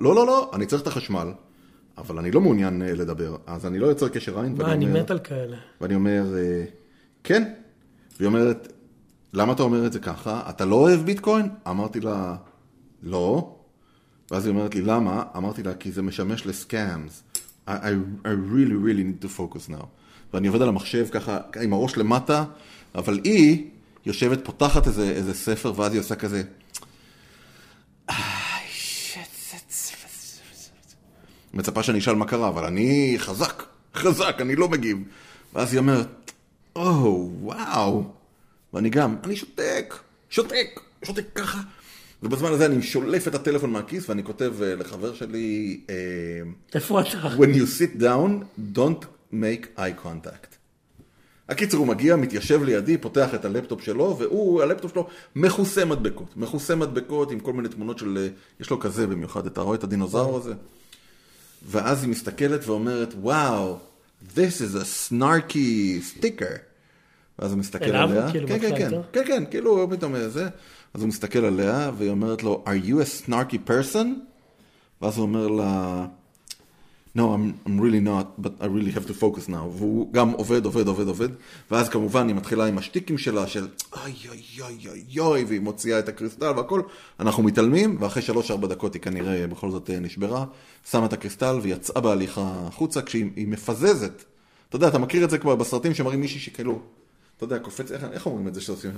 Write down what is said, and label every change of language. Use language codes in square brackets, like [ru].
[he] לא, לא, לא, אני צריך את החשמל. אבל אני לא מעוניין לדבר, אז אני לא יוצר קשר עין. מה, אני מת על כאלה. ואני אומר, כן. והיא אומרת, למה אתה אומר את זה ככה? אתה לא אוהב ביטקוין? אמרתי לה, לא. ואז היא אומרת לי, למה? אמרתי לה, כי זה משמש לסקאמס. [en] I really need to focus now. [he] ואני עובד על המחשב ככה, עם הראש למטה, אבל היא יושבת פותחת איזה ספר, ואז היא עושה כזה, מצפה שאני אשאל מה קרה, אבל אני חזק, חזק, אני לא מגיב. ואז היא אומרת, או, וואו. ואני גם, אני שותק, שותק, שותק ככה. ובזמן הזה אני שולף את הטלפון מהכיס, ואני כותב לחבר שלי, איפה אתה? [en] When you sit down, don't make eye contact. [he] הקיצר הוא מגיע, מתיישב לידי, פותח את הלפטופ שלו, והוא, הלפטופ שלו, מחוסה מדבקות. מחוסה מדבקות עם כל מיני תמונות של, יש לו כזה במיוחד, אתה רואה את הדינוזאור הזה? ואז היא מסתכלת ואומרת, וואו, [en] this is a snarky sticker. [he] ואז הוא מסתכל אליו, עליה. כאילו כן, כן, כן, כן, כן, כאילו הוא פתאום איזה. אז הוא מסתכל עליה והיא אומרת לו, [en] are you a snarky person? [he] ואז הוא אומר לה, [en] no, I'm really not, but I really have to focus now. [he] והוא גם עובד, עובד, עובד, עובד. ואז כמובן היא מתחילה עם השטיקים שלה, של אוי, אוי, אוי, אוי, אוי, והיא מוציאה את הקריסטל והכל. אנחנו מתעלמים, ואחרי 3-4 דקות היא כנראה בכל זאת נשברה, שמה את הקריסטל ויצאה בהליכה חוצה, כשהיא מפזזת. אתה יודע, אתה מכיר את זה כבר בסרטים שמראים מישהי שכאילו, אתה יודע, קופץ, איך אומרים את זה שעושים?